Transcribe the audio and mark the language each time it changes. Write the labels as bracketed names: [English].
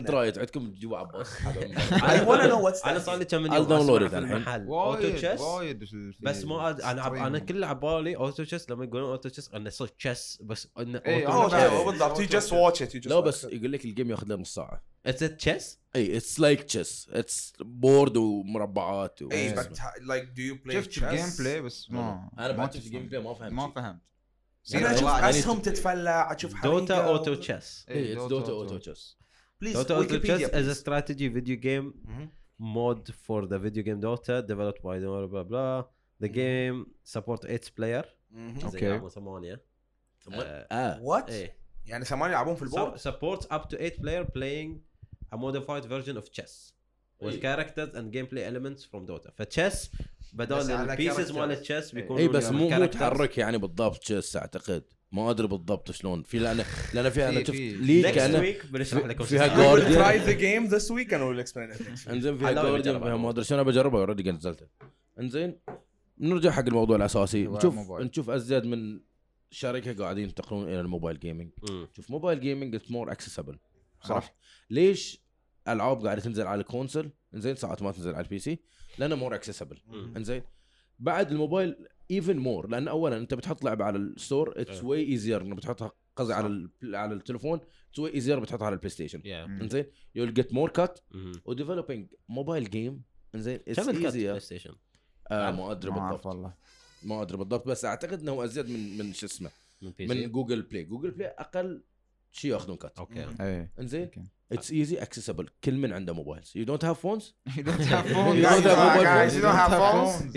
[Arabic] الترايت عندكم جوا عباس اي وانا [English] know what's [Arabic] انا صار لي كم يوم اوتو تشيس بس ما انا كل لعبالي اوتو تشيس لما يقولون اوتو تشيس انا صار تشيس بس [English] auto chess بالضبط تي just watch it [Arabic] لا بس يقول لك الجيم ياخذ له نص ساعه [English] Is it chess? Hey, it's like chess. It's board [Arabic] ومربعات. [English] Hey, yes. But like, do you play chess? [Arabic] شفت gameplay بس ما. أنا بعرف في gameplay ما فهمت. ما فهمت. أنا أشوف أسهم تتفلع أشوف. [English] Dota Auto Chess. Hey, it's Dota Auto Chess. Please, Dota Auto Chess is a strategy video game mod for the video game Dota, developed by the blah blah blah. The game support 8 player. Okay. [Arabic] ثمانية. [English] What? [Arabic] يعني ثمانية يلعبون في البورد. [English] Supports up to 8 player playing a modified version of chess with characters and gameplay elements from Dota. For chess, بدل pieces مال chess بيكون. [Arabic] إيه بس مو متحرك يعني بالضبط chess أعتقد. ما أدري بالضبط شلون. في لأن فيها أنا شوف. [English] Next week بنشرح لكم. [Arabic] فيها guardian. [English] Try the game this week and we'll explain it. [Arabic] إنزين فيها guardian. ما أدري شو أنا بجربه already نزلته. إنزين نرجع حق الموضوع الأساسي. نشوف أزيد من شركة قاعدين ينتقلون إلى الموبايل جيمينج. شوف موبايل جيمينج [English] is more accessible. [Arabic] صح. ليش ألعاب قاعدة تنزل على الكونسل؟ إنزين ساعات ما تنزل على البي سي. [English] لأنه more accessible. [Arabic] إنزين بعد الموبايل even more. لأن أولاً أنت بتحط لعبة على الستور [English] it's way easier. [Arabic] إنه بتحطها قصدي على التلفون [English] it's way easier [Arabic] بتحطها على البلاي ستيشن. [English] إنزين you'll get more cut. و developing mobile game إنزين it's easier. [Arabic] كم الكات ما أدري بالضبط. والله. ما ادري بالضبط بس اعتقد انه ازيد من شو اسمه من جوجل بلاي. جوجل بلاي اقل شيء ياخذون كات. اوكي [English] انزين it's easy accessible [Arabic] كل من عنده موبايل. [English] You don't have phones. You don't have phones. You don't have phones.